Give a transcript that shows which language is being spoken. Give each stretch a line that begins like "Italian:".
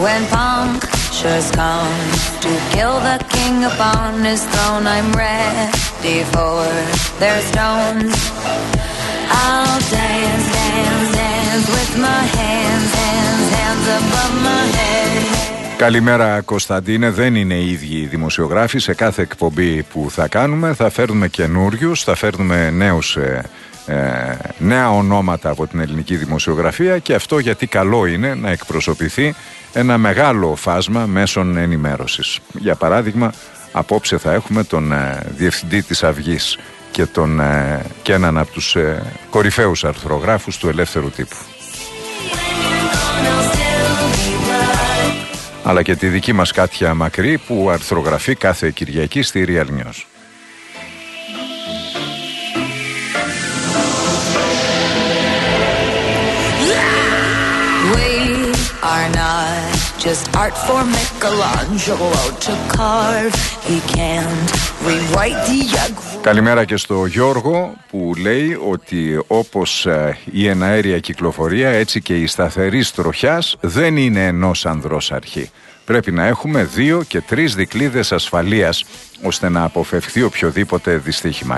English: When punctures come to kill the king upon his throne, I'm ready for their stones. I'll dance, dance, dance with my hands, hands, hands above my head.
Greek: Καλημέρα Κωνσταντίνε, δεν είναι οι ίδιοι οι δημοσιογράφοι. Σε κάθε εκπομπή που θα κάνουμε θα φέρνουμε καινούριους, θα φέρνουμε νέους νέα ονόματα από την ελληνική δημοσιογραφία, και αυτό γιατί καλό είναι να εκπροσωπηθεί ένα μεγάλο φάσμα μέσων ενημέρωσης. Για παράδειγμα, απόψε θα έχουμε τον Διευθυντή της Αυγής και, και έναν από τους κορυφαίους αρθρογράφους του Ελεύθερου Τύπου. Αλλά και τη δική μας Κάτια Μακρύ, που αρθρογραφεί κάθε Κυριακή στη Real News.
English: Are not just art for Michelangelo to carve. He can't rewrite the egg.
Greek: Καλημέρα και στο Γιώργο που λέει ότι όπως η εναέρια κυκλοφορία, έτσι και η σταθερή τροχιάς δεν είναι ενός ανδρός αρχή. Πρέπει να έχουμε δύο και τρεις δικλείδες ασφαλείας ώστε να αποφευχθεί οποιοδήποτε δυστύχημα.